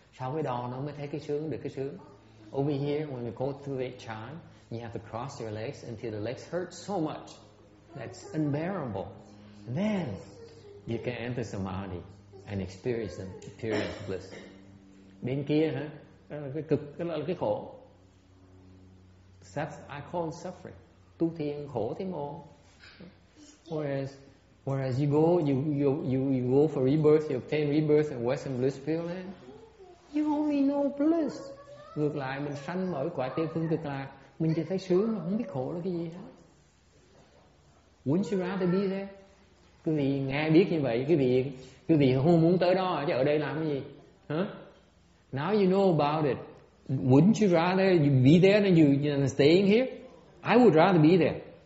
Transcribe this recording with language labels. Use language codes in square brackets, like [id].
[vi] Sau cái đo nó mới thấy cái sướng, được cái sướng. [en] Over here, when you go through each time, you have to cross your legs until the legs hurt so much that's unbearable. Then you can enter samadhi and experience the pure bliss. [vi] Bên kia hả? Đó là cái cực, đó là cái khổ. [en] That's I call suffering. [vi] Tu thiền khổ thế mô. [en] Whereas you go for rebirth, you obtain rebirth and Western bliss feeling, you only know bliss. [vi] Ngược lại mình sanh ở cõi Tây phương cực lạc, mình chỉ thấy sướng mà không biết khổ là cái gì hết. [en] Wouldn't you rather be there? [vi] Quý vị nghe biết như vậy, quý vị không muốn tới đó chứ ở đây làm cái gì? [en] Huh? Now you know about it. Wouldn't you rather you be there than you staying here? I would rather be there.